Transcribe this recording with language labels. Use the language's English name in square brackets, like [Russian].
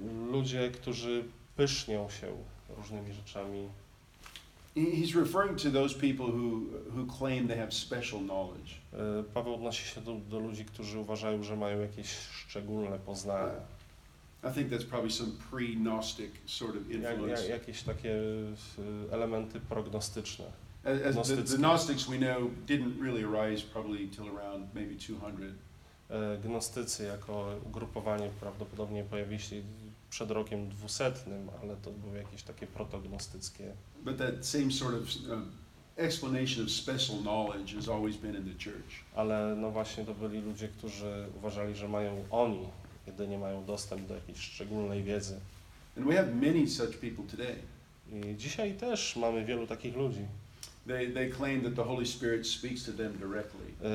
[Polish] Ludzie, którzy pysznią się różnymi rzeczami. [English] He's referring to those people who claim they have special knowledge. [Polish] Paweł odnosi się do ludzi, którzy uważają, że mają jakieś szczególne poznanie. [English] I think that's probably some pre-Gnostic sort of influence. [Polish] Jakieś takie elementy prognostyczne. [English] The Gnostics we know didn't really arise probably till around maybe 200. [Polish] Gnostycy jako ugrupowanie prawdopodobnie pojawili się przed rokiem 200, ale to były jakieś takie protognostyckie. [English] But that same sort of explanation of special knowledge has always been in the church. [Polish] Ale no właśnie to byli ludzie, którzy uważali, że mają oni jedynie mają dostęp do jakiejś szczególnej wiedzy. [English] And we have many such people today. [Polish] I dzisiaj też mamy wielu takich ludzi. [English] They claim that the Holy Spirit speaks to them directly.